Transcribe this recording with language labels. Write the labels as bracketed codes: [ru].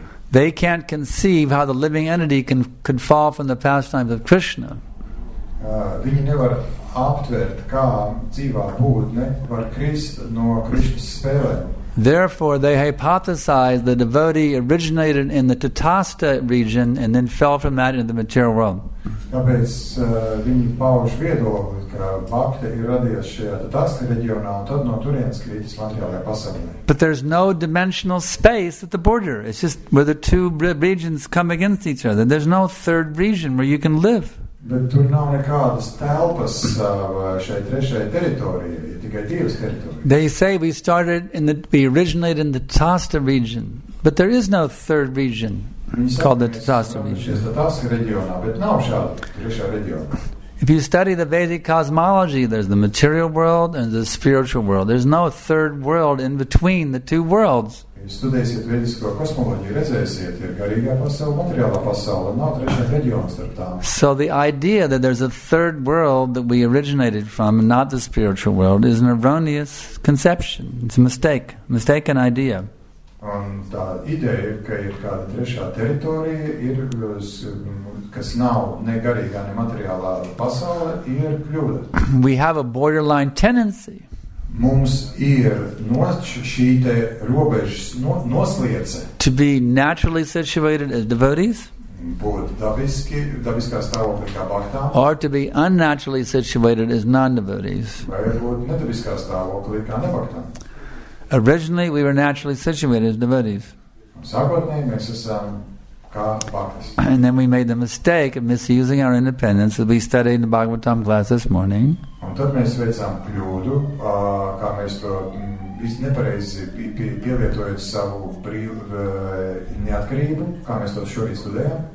[en] They can't conceive how the living entity can fall from the pastimes of Krishna. [lv] Viņi nevar aptvert, kā dzīvā būtne var krist no Krišnas spēlēm. [en] Therefore, they hypothesize the devotee originated in the Tatasta region and then fell from that into the material world. [lv] Tāpēc viņi pauž viedokli, ka Bhakta ir radies šajā Tatasta reģionā un tad no turienes krītas materiālajā pasaulē. [en] But there's no dimensional space at the border. It's just where the two regions come against each other. There's no third region where you can live. [lv] Bet tur nav nekādas telpas šai trešajai teritorijai, tikai divas teritorijas. [en] They say we started in the we originated in the Tatasta region, but there is no third region called the Tatasta region. [lv] Tatasta reģionā, bet nav šāda trešā reģiona. [en] If you study the Vedic cosmology, there's the material world and the spiritual world. There's no third world in between the two worlds. [lv] Studējiet vedisko kosmoloģiju, redzēsiet, ir garīgā pasaule, materiālā pasaule, nav trešā reģiona starp tām. [en] So the idea that there's a third world that we originated from, not the spiritual world, is an erroneous conception. It's a mistake, mistaken idea. [lv] Un tā ideja, ka ir kāda trešā teritorija, ir, kas nav ne garīgā, ne materiālā pasaule, ir kļūda. [en] We have a borderline tendency. [lv] Mums ir šī te robežas nosliece. [en] To be naturally situated as devotees. [lv] Būt dabiskā stāvoklī kā bhaktā. [en] Or to be unnaturally situated as non-devotees. [lv] Vai būt nedabiskā stāvoklī kā nebhaktā. [en] Originally we were naturally situated as devotees. [lv] Sākotnēji mēs esam kā bhaktas. [en] And then we made the mistake of misusing our independence as we studied in the Bhagavatam class this morning. [lv] Un tad mēs veicām kļūdu, kā mēs to nepareizi pievietojot savu neatkarību, kā mēs to šorīt studējām.